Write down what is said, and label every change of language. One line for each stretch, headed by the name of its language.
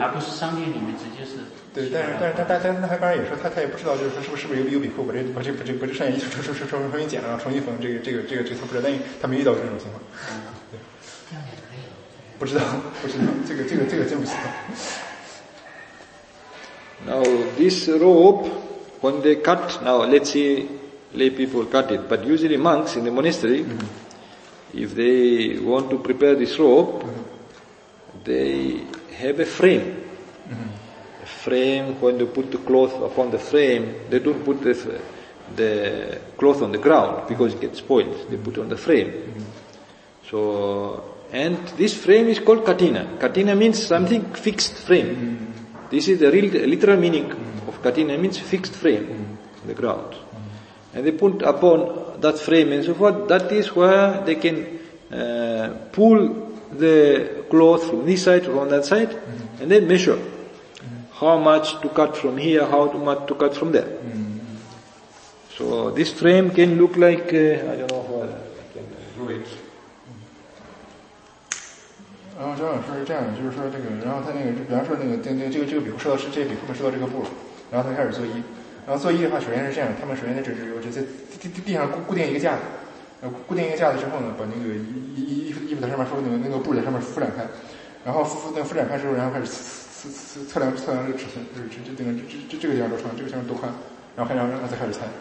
Chinese: 而不是商店里面直接是。对，但是他刚才也说他也不知道，就是说是不是有比库把这上衣重新剪了，重新缝这个他不知道，但是他没遇到这种情况。嗯，对，不知道，这个真不知道。
English: Now this rope, when they cut, now let's see. Lay people cut it, but usually monks in the monastery, mm-hmm. if they want to prepare this rope, mm-hmm. they have a frame. Mm-hmm. A frame, when they put the cloth upon the frame, they don't put the cloth on the ground because it gets spoiled. Mm-hmm. They put it on the frame. Mm-hmm. So, and this frame is called katina. Katina means something fixed frame. Mm-hmm. This is the real, literal meaning mm-hmm. of katina, means fixed frame mm-hmm. on the ground. And they put upon that frame and so forth, that is where they can pull the cloth from this side or on that side, mm-hmm. and then measure mm-hmm. how much to cut from here, how much to cut from there. Mm-hmm. So this frame can look like, I don't know how I can do it.
Chinese: 然后张老师是这样的，就是说这个，然后他那个，比方说那个，这个笔库收到是这笔库收到这个布，然后他开始做衣。然后做衣的话，首先是这样，他们首先在这在地上固定一个架子，固定一个架子之后呢，把那个衣服在上面敷那个布在上面敷展开，然后敷展开之后，然后开始测量这个尺寸，就是这个地方多长，这个地方多宽，然后再开始猜。